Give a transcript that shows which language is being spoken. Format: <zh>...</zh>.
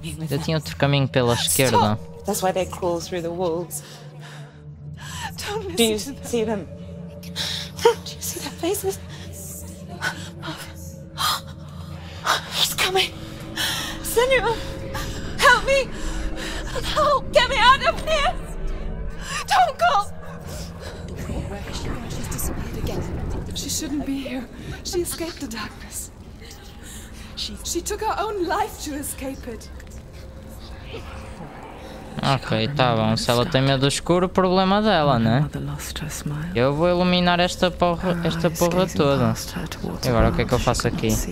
<pt>Eu tinha outro caminho pela esquerda.</pt> <en>That's why they crawl through the walls. Don't do you see them? Do you see their faces? He's coming. Senua, help me! Help! Get me out of here! Don't go! She's disappeared again. She shouldn't be here. She escaped the darkness. She took her own life to escape it.</en> <pt>Ok, tá bom. Se ela tem medo escuro, problema dela, né? Eu vou iluminar esta porra toda. E agora o que é que eu faço aqui?</pt>